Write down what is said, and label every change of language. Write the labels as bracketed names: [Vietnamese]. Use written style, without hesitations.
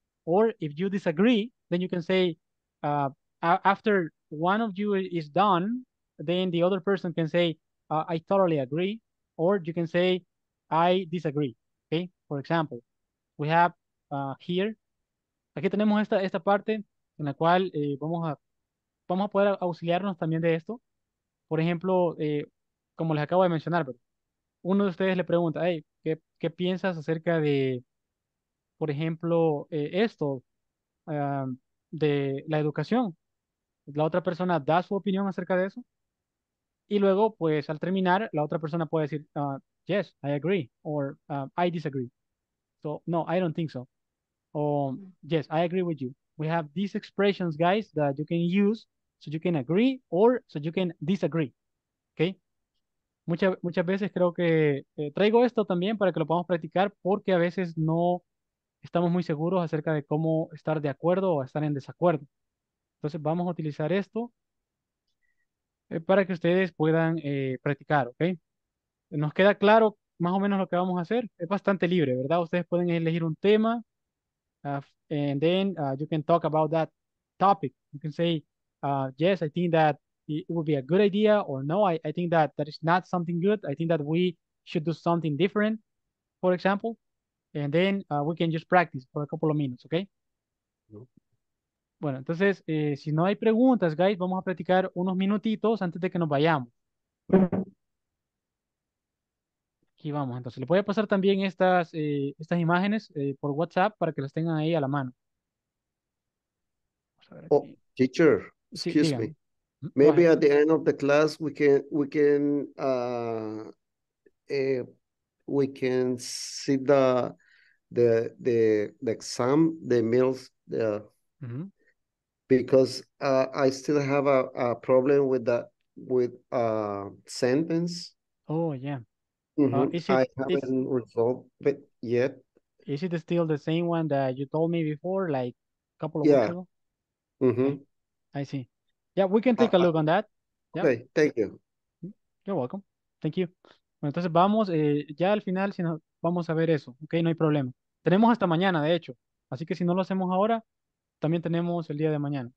[English] Or if you disagree, then you can say after one of you is done, then the other person can say, I totally agree. Or you can say, I disagree. Okay. For example, we have here, [Spanish] aquí tenemos esta parte en la cual vamos a poder auxiliarnos también de esto. Por ejemplo, como les acabo de mencionar, pero uno de ustedes le pregunta, hey, ¿qué piensas acerca de, por ejemplo, esto de la educación? La otra persona da su opinión acerca de eso. Y luego, pues, al terminar, la otra persona puede decir, [English] yes, I agree, or I disagree. So, no, I don't think so. Or, yes, I agree with you. We have these expressions, guys, that you can use so you can agree or so you can disagree. Okay? [Spanish] Muchas veces creo que traigo esto también para que lo podamos practicar porque a veces no estamos muy seguros acerca de cómo estar de acuerdo o estar en desacuerdo. Entonces, vamos a utilizar esto para que ustedes puedan practicar, ¿ok? Nos queda claro más o menos lo que vamos a hacer. Es bastante libre, ¿verdad? Ustedes pueden elegir un tema [English] and then you can talk about that topic. You can say, yes, I think that it would be a good idea, or no, I think that that is not something good. I think that we should do something different, for example. And then we can just practice for a couple of minutes, ¿ok? No. [Spanish] Bueno, entonces, si no hay preguntas, guys, vamos a practicar unos minutitos antes de que nos vayamos. Aquí vamos, entonces. Le voy a pasar también estas imágenes por WhatsApp para que las tengan ahí a la mano. Vamos a ver aquí. [English] Oh, teacher, excuse sí, me. Maybe at the end of the class we can see the exam, the meals, the because I still have a problem with that with sentence. Oh yeah. I haven't resolved it yet. Is it still the same one that you told me before, like a couple of weeks ago? Okay. I see. Yeah, we can take a look on that. Yeah. Okay, thank you. You're welcome. Thank you. [Spanish] Bueno, entonces vamos, ya al final si no, vamos a ver eso. Ok, no hay problema. Tenemos hasta mañana, de hecho. Así que si no lo hacemos ahora, también tenemos el día de mañana.